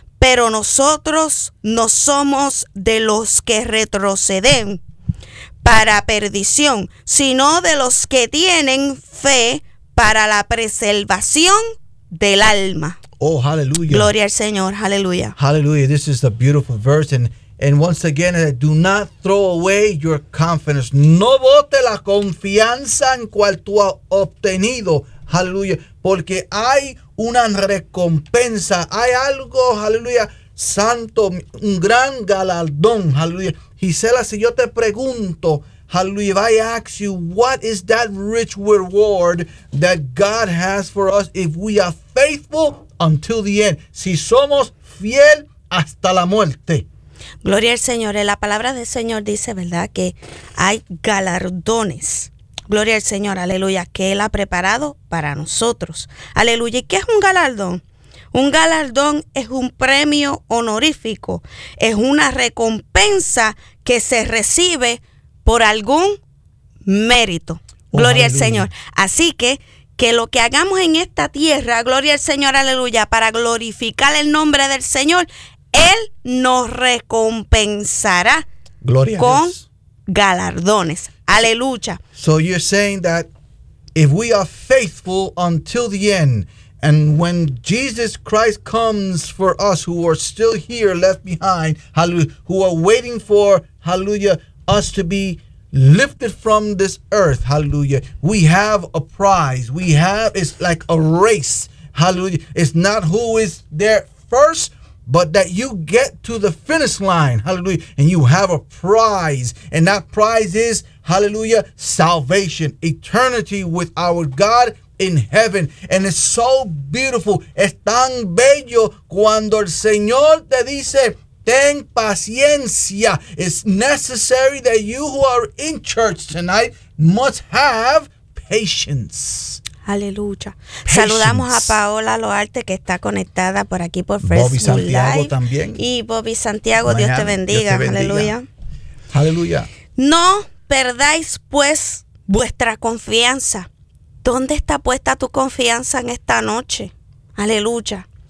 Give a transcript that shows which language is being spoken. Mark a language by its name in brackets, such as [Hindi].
[Spanish] pero nosotros no somos de los que retroceden para perdición, sino de los que tienen fe para la preservación del alma. [English] Oh, hallelujah. [Spanish] Gloria al Señor. Hallelujah. [English] Hallelujah. This is a beautiful verse. And once again, do not throw away your confidence. [Spanish] No bote la confianza en cual tú has obtenido. Hallelujah. Porque hay una recompensa. Hay algo, hallelujah, santo, un gran galardón. Hallelujah. [English] Gisela, [Spanish] si yo te pregunto, [English] hallelujah, if I ask you, what is that rich reward that God has for us if we are faithful until the end? [Spanish] Si somos fiel hasta la muerte. Gloria al Señor. La palabra del Señor dice, ¿verdad?, que hay galardones. Gloria al Señor, aleluya, que Él ha preparado para nosotros. Aleluya. ¿Y qué es un galardón? Un galardón es un premio honorífico. Es una recompensa que se recibe por algún mérito. Gloria al Señor. Así que lo que hagamos en esta tierra, gloria al Señor, aleluya, para glorificar el nombre del Señor, Él nos recompensará con galardones. Aleluya. [English] So you're saying that if we are faithful until the end, and when Jesus Christ comes for us who are still here left behind, hallelujah, who are waiting for, hallelujah, us to be lifted from this earth, hallelujah, we have a prize. We have, it's like a race, hallelujah. It's not who is there first, but that you get to the finish line, hallelujah, and you have a prize. And that prize is, hallelujah, salvation, eternity with our God in heaven. And it's so beautiful. [Spanish] Es tan bello cuando el Señor te dice, ten paciencia. [English] It's necessary that you who are in church tonight must have patience. Aleluya. Patience. [Spanish] Saludamos a Paola Loarte, que está conectada por aquí por Facebook Live. Bobby Santiago también. Y Bobby Santiago, Dios te bendiga. Aleluya. Aleluya. No perdáis pues vuestra confianza. ¿Dónde está puesta tu confianza en esta noche? Aleluya.